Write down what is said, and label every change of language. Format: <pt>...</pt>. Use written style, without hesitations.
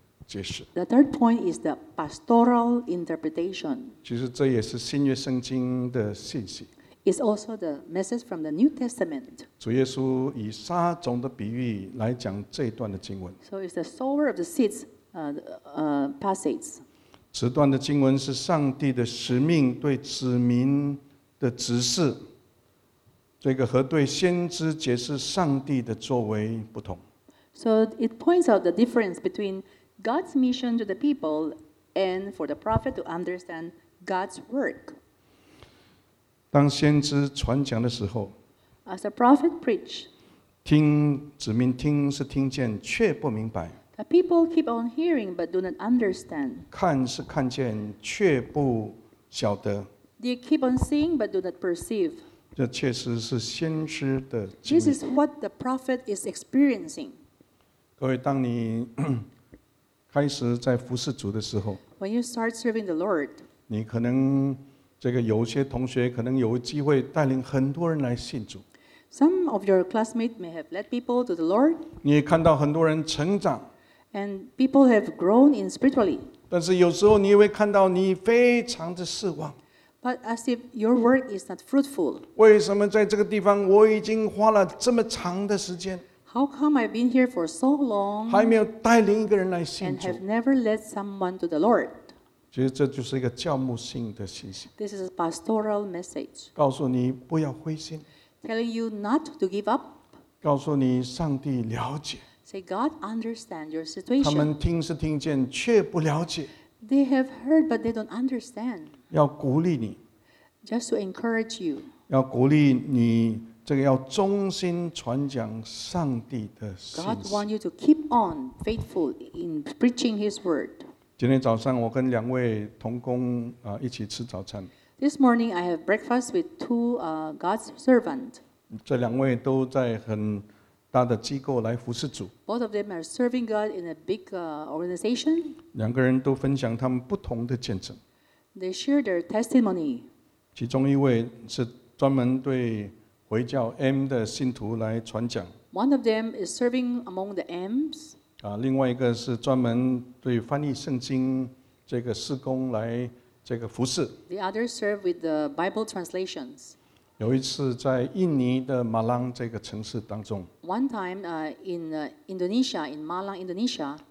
<en>The third point is the pastoral interpretation.</en> <zh>其实这也是新约圣经的信息。</zh> <en>is also the message from the New Testament.</en> <zh>主耶稣以撒种的比喻来讲这一段的经文。</zh> <en>So it's the sower of the seeds, passage.</en> <zh>此段的经文是上帝的使命对子民的指示，这个和对先知解释上帝的作为不同。</zh> <en>So it points out the difference between God's mission to the people and for the prophet to understand God's work.</en> <zh>当先知传讲的时候，</zh> <en>As the prophet preached,</en> <zh>听子民听是听见，却不明白。</zh> <en>The people keep on hearing but do not understand.</en> <zh>看是看见，却不晓得。</zh> <en>They keep on seeing but do not perceive.</en> <zh>这确实是先知的经历。</zh> <en>This is what the prophet is experiencing.</en> <zh>各位，当你开始在服侍主的时候，</zh> <en>When you start serving the Lord,</en> <zh>你可能这个有些同学可能有机会带领很多人来信主。</zh> <en>Some of your classmates may have led people to the Lord.</en> <zh>你也看到很多人成长。</zh> <en>And people have grown in spiritually.</en> <zh>但是有时候你也会看到你非常的失望。</zh> <en>But as if your work is not fruitful.</en> <zh>为什么在这个地方我已经花了这么长的时间？</zh> <en>How come I've been here for so long?</en> <zh>还没有带领一个人来信主。</zh> <en>And have never led someone to the Lord.</en> <zh>其实这就是一个教牧性的信息。</zh> <en>This is a pastoral message.</en> <zh>告诉你不要灰心。</zh> <en>Telling you not to give up.</en> <zh>告诉你上帝了解。</zh> <en>Say God understand your situation.</en> <zh>他们听是听见，却不了解。</zh> <en>They have heard, but they don't understand.</en> <zh>要鼓励你。</zh> <en>Just to encourage you.</en> <zh>要鼓励你。这个要忠心传讲上帝的信息。</zh> <en>God wants you to keep on faithful in preaching His word.</en> <zh>今天早上我跟两位同工一起吃早餐。</zh> <en>This morning I have breakfast with two God's servants.</en> <zh>这两位都在很大的机构来服侍主。</zh> <en>Both of them are serving God in a big organization.</en> <zh>两个人都分享他们不同的见证。</zh> <en>They share their testimony.</en> <zh>其中一位是专门对回教 M 的信徒来传讲。</zh> <en>One of them is serving among the M's.</en> <zh>另外一个是专门对翻译圣经这个事工来这个服侍。</zh> <en>The others serve with the Bible translations.</en> <zh>有一次在印尼的马朗这个城市当中。</zh> <en>One time, in Indonesia, in Malang, Indonesia.</en>